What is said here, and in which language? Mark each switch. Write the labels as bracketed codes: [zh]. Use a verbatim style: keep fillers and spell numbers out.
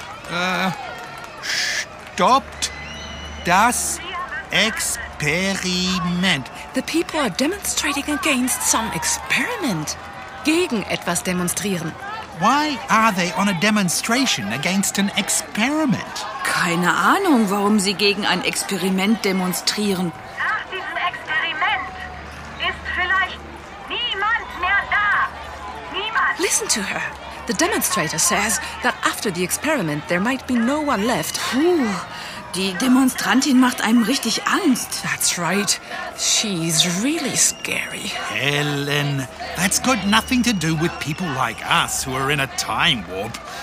[de] Uh, stoppt das Experiment. [en] The people are demonstrating against some experiment. [de] Gegen etwas demonstrieren. [en] Why are they on a demonstration against an experiment? [de] Keine Ahnung, warum sie gegen ein Experiment demonstrieren. Nach diesem Experiment ist vielleicht niemand mehr da. Niemand. [en] Listen to her. The demonstrator says that after the experiment there might be no one left. [de] Puh, die Demonstrantin macht einem richtig Angst. [en] That's right. She's really scary. Helen, that's got nothing to do with people like us who are in a time warp.